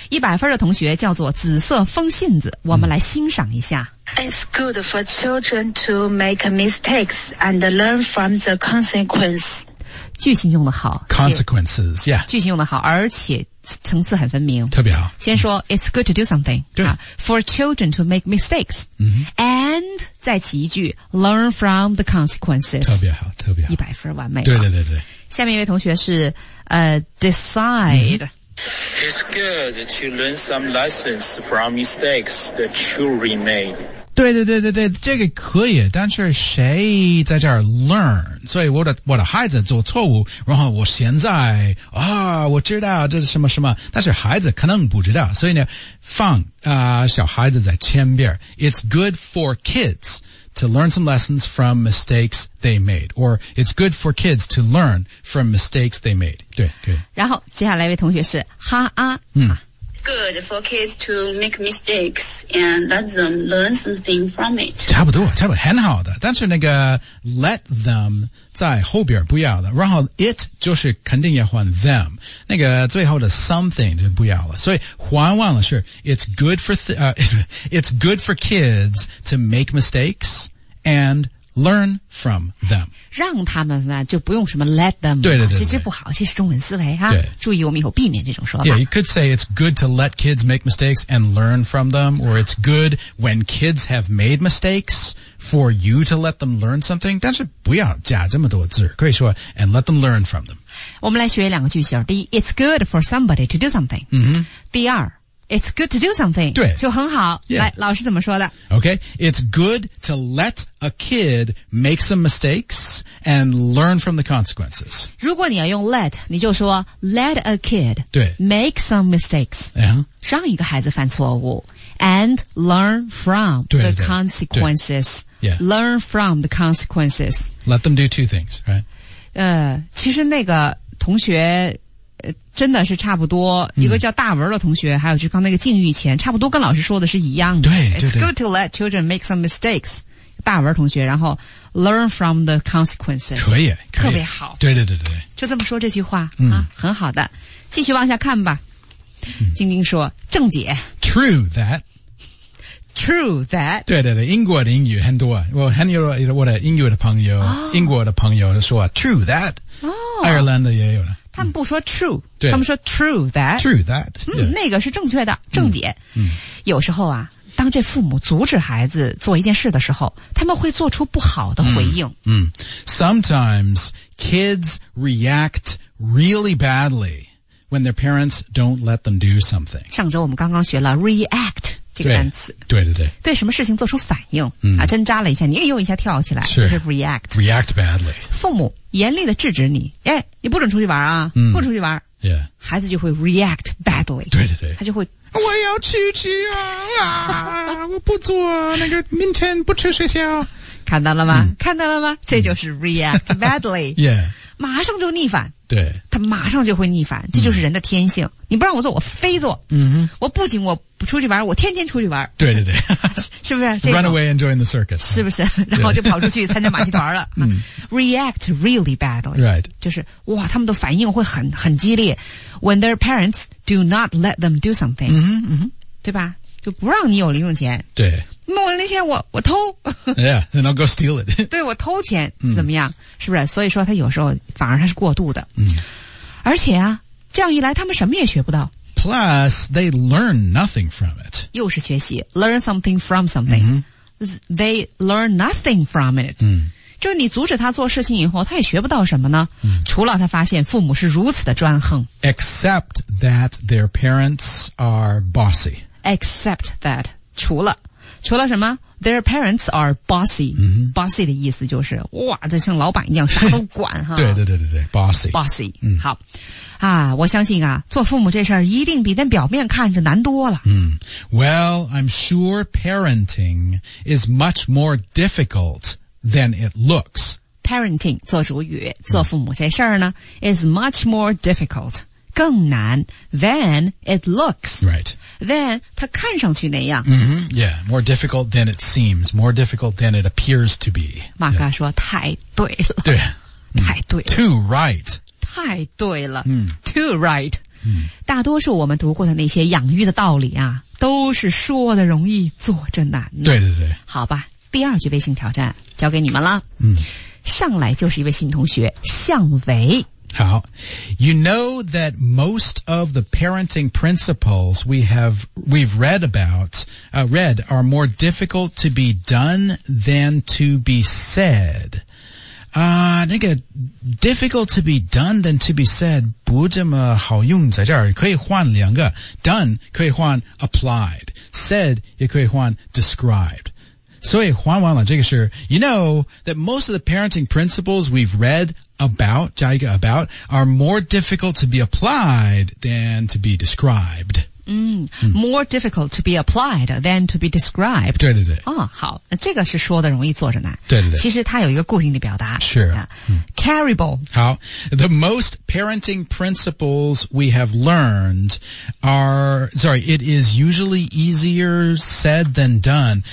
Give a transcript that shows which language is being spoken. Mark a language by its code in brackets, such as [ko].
[zh] 100分的同学叫做紫色风信子，我们来欣赏一下。 [en] It's good for children to make mistakes and learn from the consequence. [zh] 句型用得好。 [en] Consequences, yeah. [zh] 句型用得好，而且层次很分明，特别好。先说、 [en] It's good to do something [zh] 对、 [en] For children to make mistakes、And [zh] 再起一句 [en] Learn from the consequences， [zh] 特别好，特别好， 100分完美。对对对对。下面一位同学是Decide、 [en] It's good to learn some lessons from mistakes that children made。 [zh] 对对对对对，这个可以，但是谁在这儿 learn？所以我的孩子做错误，然后我现在啊、我知道这是什么什么，但是孩子可能不知道，所以呢，放啊、小孩子在前边。 [en] It's good for kids to learn some lessons from mistakes they made, or it's good for kids to learn from mistakes they made. [zh] 对，对。然后接下来一位同学是哈啊， [en] Good for kids to make mistakes and let them learn something from it. [zh] 差不多，差不多，很好的。但是那个 [en] let them [zh] 在后边不要了，然后 it 就是肯定要换 them， 那个最后的 something 就不要了。所以换完了是 [en] it's good for it's good for kids to make mistakes and learn from them. [zh] 让他们呢就不用什么 [en] let them. [zh] 对对 对, 对。这不好，这是中文思维哈、对。注意我们以后避免这种说法。 [en] Yeah, you could say it's good to let kids make mistakes and learn from them, or it's good when kids have made mistakes for you to let them learn something. [zh] 但是不要加这么多字，可以说 [en] and let them learn from them. [zh] 我们来学两个句型。第一 , [en] it's good for somebody to do something.、 [zh] 第二 [en] It's good to do something. [zh] 对。就很好。 [en] Yeah. [zh] 来老师怎么说的 [en] ?Okay. It's good to let a kid make some mistakes and learn from the consequences. [zh] 如果你要用 let, 你就说 let a kid 对 [en] make some mistakes. [zh] 让一个孩子犯错误 [en] and learn from [zh] 对对对 [en] the consequences. Yeah. Learn from the consequences. Let them do two things, right? [zh] 其实那个同学真的是差不多、一个叫大文的同学还有就刚那个境遇前差不多跟老师说的是一样的对, 对 [en] It's good to let children make some mistakes [zh] 大文同学然后 [en] learn from the consequences [zh] 可 以, 可以特别好对对对对就这么说这句话、啊，很好的继续往下看吧晶晶说正解 [en] True that True that [zh] 对对对英国的英语很多我很有我的英语的朋友、英国的朋友说 [en] True that、 [zh] 爱尔兰的也有了他们不说 true, 他们说 [en] true that. True that.、 [zh] 那个是正确的正解、有时候啊当这父母阻止孩子做一件事的时候他们会做出不好的回应。 [en] Sometimes kids react really badly when their parents don't let them do something. [zh] 上周我们刚刚学了 react 这个单词。对对对。对什么事情做出反应、啊针扎了一下你也用一下跳起来是就是 react。 [en] react badly. [zh] 父母严厉的制止你，哎，你不准出去玩啊，不出去玩， [en] yeah. [zh] 孩子就会 react badly。对对对，他就会我要出去啊我不做那个，明天不去学校。看到了吗？看到了吗？这就是 react badly。 [en] yeah. [zh] 马上就逆反。对，他马上就会逆反，这就是人的天性。你不让我做，我非做。我不仅我不出去玩，我天天出去玩。对对对，是不是、这个、 [en] ？Run away and join the circus， [zh] 是不是？然后就跑出去参加马戏团了。 [en] react really badly， right？ [zh] 就是哇，他们的反应会很激烈。 [en] When their parents do not let them do something， [zh] 对吧？就不让你有零用钱。对，那我那些我偷。 [en] yeah， then I'll go steal it [zh] 对。对我偷钱怎么样？是不是？所以说他有时候反而他是过度的。而且啊，这样一来他们什么也学不到。 [en] Plus, they learn nothing from it. [zh] 又是学习 , [en] learn something from something.、 They learn nothing from it.、 [zh] 就是你阻止他做事情以后他也学不到什么呢、除了他发现父母是如此的专横。 [en] Except that their parents are bossy. Except that, [zh] 除了。除了什么 [en] ？Their parents are bossy、 [zh] 嗯。 bossy 的意思就是哇，这像老板一样，啥都管哈。对对对对对 ，bossy。 [en] bossy。 [zh] 嗯，好啊，我相信啊，做父母这事儿一定比那表面看着难多了。 [en] 嗯 ，Well, I'm sure parenting is much more difficult than it looks. [zh] Parenting 做主语，做父母这事儿呢、嗯、， [en] is much more difficult。 [zh] 更难 [en] than it looks. Right. [zh] Than 它看上去那样。 [en] Mm-hmm. Yeah, more difficult than it seems. More difficult than it appears to be. [zh] 马哥说、yeah. 太对了。对。太对了。 [en] Too right. [zh] 太对了。 Mm. [en] Too right.、 Mm. [zh] 大多数我们读过的那些养育的道理啊都是说的容易做着难。对对对。好吧第二句微信挑战交给你们了。嗯、 mm.。上来就是一位新同学向伟。 [en] 好 You know that most of the parenting principles we've read about,、read are more difficult to be done than to be said. [zh] 那个 [en] difficult to be done than to be said [zh] 不这么好用在这儿可以换两个 done 可以换 applied, said 也可以换 described. [en] 所以换完了这个是 You know that most of the parenting principles we've read about, [zh] 加一个 [en] about, are more difficult to be applied than to be described. 嗯 ,more difficult to be applied than to be described. [zh] 对对对。哦好这个是说的容易做着难。对对对。其实它有一个固定的表达。 [en] Sure.、嗯、Carryable. 好 ,the most parenting principles we have learned it is usually easier said than done.